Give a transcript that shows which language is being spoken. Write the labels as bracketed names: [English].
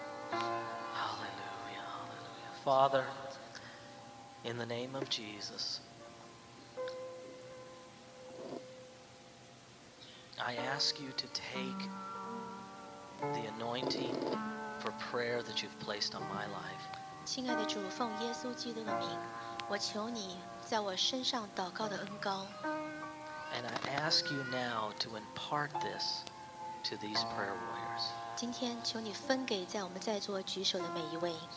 [English] Hallelujah, hallelujah. Father, in the name of Jesus, I ask you to take the anointing for prayer that you've placed on my life. [Chinese] 亲爱的主，奉耶稣基督的名，我求你在我身上祷告的恩膏。 [English] And I ask you now to impart this to these prayer warriors. [Chinese] 今天求你分给在我们在座举手的每一位。